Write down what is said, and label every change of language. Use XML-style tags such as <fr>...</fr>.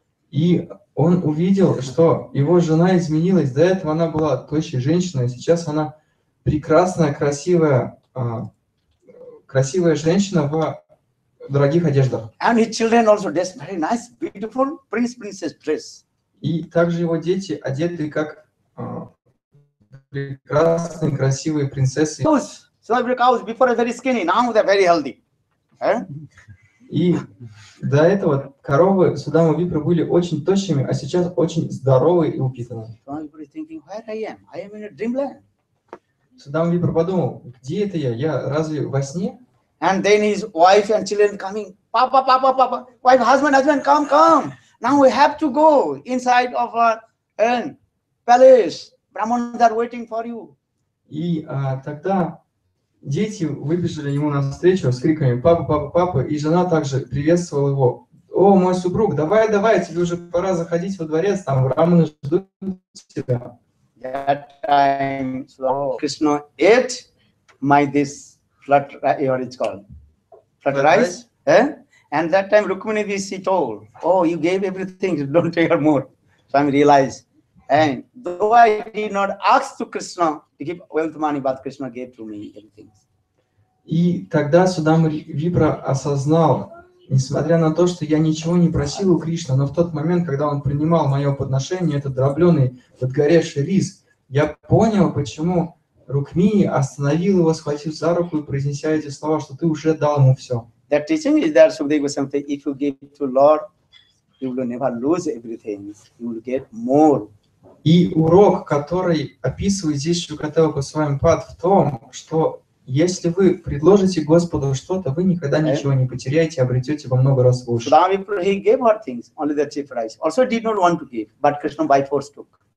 <ru>И он увидел, что его жена изменилась. До этого она была тощей женщиной, сейчас она прекрасная, красивая, красивая женщина в дорогих одеждах.</ru> <en>And his children also dressed very nice, beautiful princess dress.</en> <ru>И также его дети одеты как прекрасные, красивые принцессы.</ru> <en>Those cows before very skinny, now they're very healthy.</en> <ru>И до этого коровы Судама Випра были очень тощими, а сейчас очень здоровые и упитанные. Судама Випра подумал, где это я? Я разве во сне?</ru> <en>And then his wife and children coming. Papa, papa, papa. Wife, husband, come, come. Now we have to go inside of our palace. Brahmanas are waiting for you.</en> <ru>И тогда дети выбежали ему навстречу с криками «Папа, папа, папа!» И жена также приветствовала его. «О, мой супруг, давай, давай, тебе уже пора заходить во дворец, там брахманы ждут тебя».</ru> <en>That time, so Krishna ate my this flat rice, what it's called? Flat rice? And that time Rukmini Vishi told, oh, you gave everything, don't take her more. So I realized, and though I did not ask to Krishna to give wealth money, but Krishna gave to me everything.</en> <ru>И тогда Судама Випра осознал, несмотря на то, что я ничего не просил у Кришны, но в тот момент, когда он принимал мое подношение, этот дробленый, подгоревший рис, я понял, почему Рукмини остановил его, схватив за руку и произнеся эти слова, что ты уже дал ему все.</ru> <en>That teaching is that Sukadeva Goswami said, if you give to Lord, you will never lose everything, you will get more.</en> <ru>И урок, который описывает здесь Шукадева Госвами Пад, в том, что если вы предложите Господу что-то, вы никогда ничего не потеряете, обретете во много раз больше.</ru> <en>Sudama Vipra, he gave her things, only the cheap rice. Also did not want to give, but Krishna by force took.</en>